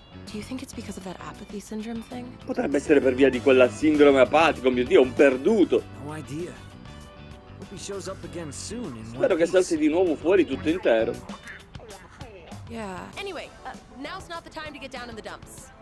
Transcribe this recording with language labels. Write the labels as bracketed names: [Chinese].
[English] Do you think it's because of that apathy syndrome thing? [Italian] Potrebbe essere per via di quella sindrome apatico, mio Dio, un perduto. [English] No idea. Hope he shows up again soon. [Italian] Spero che salti di nuovo fuori tutto intero. [English] Yeah. Anyway, now's not the time to get down in the dumps.